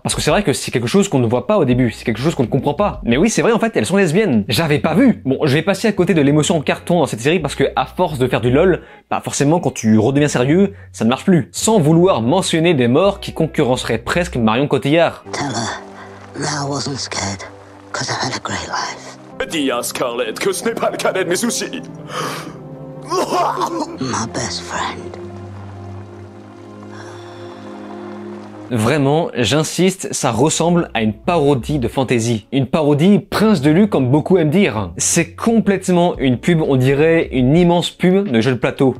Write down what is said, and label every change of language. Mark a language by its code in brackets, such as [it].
[fr] Parce que c'est vrai que c'est quelque chose qu'on ne voit pas au début, c'est quelque chose qu'on ne comprend pas. Mais oui, c'est vrai, en fait, elles sont lesbiennes. J'avais pas vu. Bon, je vais passer à côté de l'émotion en carton dans cette série parce que à force de faire du lol, bah forcément quand tu redeviens sérieux, ça ne marche plus. Sans vouloir mentionner des morts qui concurrenceraient presque Marion Cotillard. [en] Tell her, now I wasn't scared, cause I've had a great life. [fr] Dis à Scarlett que ce n'est pas le cadet de mes soucis. [en] My best friend. [fr] Vraiment, j'insiste, ça ressemble à une parodie de fantasy. Une parodie Prince de Lu comme beaucoup aiment dire. C'est complètement une pub, on dirait une immense pub de jeu de plateau.